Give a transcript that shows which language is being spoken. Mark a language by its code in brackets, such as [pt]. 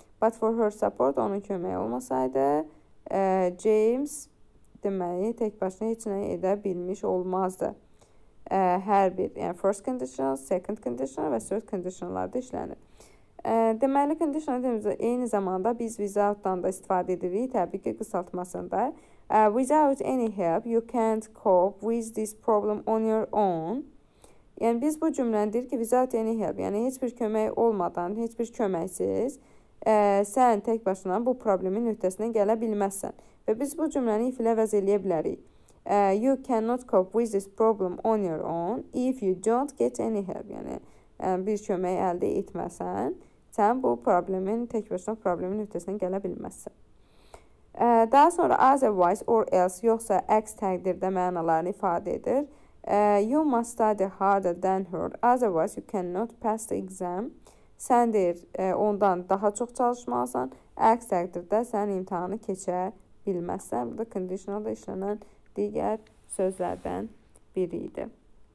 [en] But for her support, [az] onun köməyi olmasaydı, [en] James... [az] Deməli, tək başına heç nə edə bilmiş olmazdı. Hər bir, yəni first conditional, second conditional və third conditionallarda işlənir. Deməli, conditional demək eyni zamanda biz without-dan da istifadə edirik, təbii ki, qısaltmasında. [en] Without any help, you can't cope with this problem on your own. [az] Yəni, biz bu cümləni deyirik ki, [en] without any help, [az] yəni heç bir kömək olmadan, heç bir köməksiz, sən tək başına bu problemin öhdəsindən gələ bilməzsən. Və biz bu cümləni if ilə əvəz eləyə bilərik. [en] You cannot cope with this problem on your own if you don't get any help. [az] Yəni, bir kömək əldə etməsən, sən bu problemin, tək başına problemin öhdəsindən gələ bilməzsən. Daha sonra otherwise or else, yoxsa əks təqdirdə mənalarını ifadə edir. [en] You must study harder than her, otherwise you cannot pass the exam. [az] Sən deyir, ondan daha çox çalışmalısan, əks təqdirdə sən imtihanı keçə bilməzsən. Bu da conditional da işlənən digər sözlərdən biri idi.